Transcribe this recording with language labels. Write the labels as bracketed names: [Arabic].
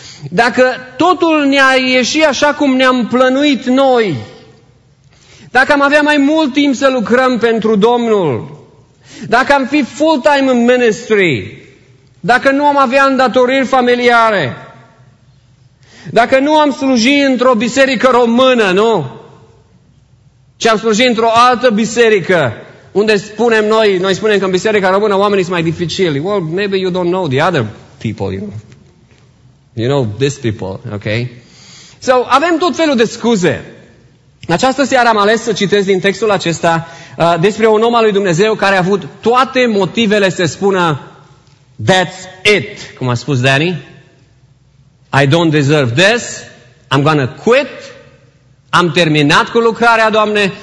[Romanian] dacă totul ne-a ieșit așa cum ne-am plănuit noi, dacă am avea mai mult timp să lucrăm pentru Domnul, dacă am fi full-time în ministry, dacă nu am avea îndatoriri familiare, dacă nu am slujit într-o biserică română, nu? Ci am slujit într-o altă biserică, unde spunem noi, noi spunem că în biserica română oamenii sunt mai dificili. [English] Well, maybe you don't know the other people, you know. You know these people, okay? [Romanian] So, avem tot felul de scuze. Această seară am ales să citesc din textul acesta despre un om al lui Dumnezeu care a avut toate motivele să spună [English] "That's it," [Romanian] cum a spus Danny. [English] "I don't deserve this. I'm gonna quit. [Romanian] Am terminat cu lucrarea, Doamne.